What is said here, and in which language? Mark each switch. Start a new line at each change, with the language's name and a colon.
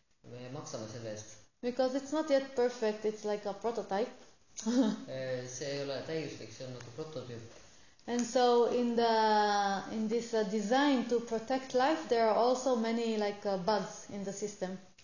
Estonian: Me maksame selle eest.
English: Because it's not yet perfect, it's like a prototype.
Estonian: See ei ole täiuslik, see on nagu prototüüp.
English: And so in this design to protect life, there are also many like bugs in the system.